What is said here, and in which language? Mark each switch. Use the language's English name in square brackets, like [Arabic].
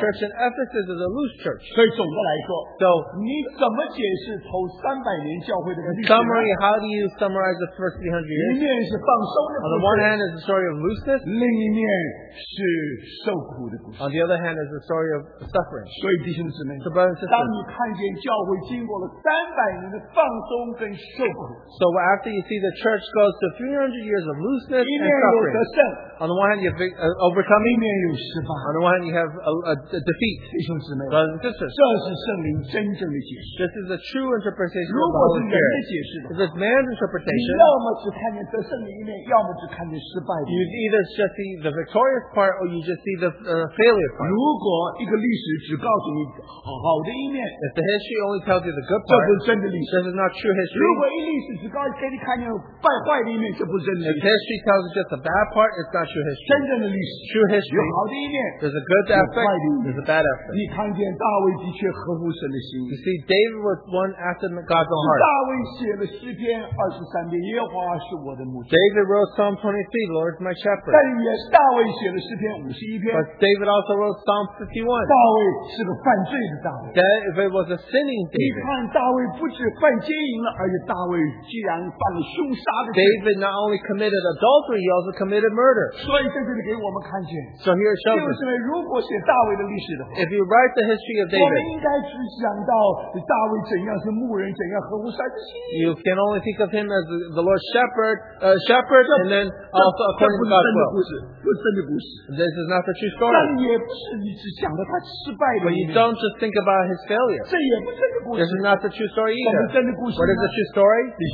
[English] church in Ephesus is a loose church. So, in summary, how do you summarize the first 300 years? On the one hand, it's a story of looseness. On the the other hand is the story of suffering. [Chinese] 所以弟兄姊妹, [English] so, brothers and sisters, [Chinese] 当你看见教会经过了300年的放松跟受苦, [English] so after you see the church goes to 300 years of looseness and suffering, on the one hand you have overcoming, on the one hand you have a defeat. [Chinese] 弟兄姊妹, [English] brothers and sisters, [Chinese] 这是圣灵真正的解释, [English] this is a true interpretation of the Holy Spirit. If it's man's interpretation, [Chinese] 要么只看见得胜的一面, [English] you either just see the victorious part or you just see the failure part. [Chinese] 如果一个历史只告诉你好的一面, [English] if the history only tells you the good part, [Chinese] 这不是真的历史, [English] this is not true history. [Chinese] 如果一历史只告诉你看见败坏的一面, 这不是真的历史, [English] if history tells you just the bad part, it's not true history. [Chinese] 真正的历史, [English] true history, [Chinese] 有好的一面, [English] there's a good aspect, there's a bad aspect. [Chinese] 你看见大卫的确合乎神的心, [English] you see David was one after God's own heart. [Chinese] 大卫写了诗篇23篇耶和华是我的牧师, [English] David wrote Psalm 23, Lord is my shepherd. [Chinese] 但也是大卫写了诗篇51篇, [English] but David also wrote Psalm 51. [Chinese] 大卫是个犯罪的大卫, [English] if it was a sinning David, [Chinese] 你看大卫不止犯奸淫了, [English] David not only committed adultery, he also committed murder. [Chinese] 所以在这里给我们看见, [English] so here it shows, [Chinese] 就是如果写大卫的历史的话, [English] if you write the history of David, [Chinese] 我们应该只想到大卫怎样是牧人, [English] you can only think of him as the Lord's shepherd, and then also according to God's will. This is not the true story. But you don't just think about his failure. This is not the true story either. What is the true story?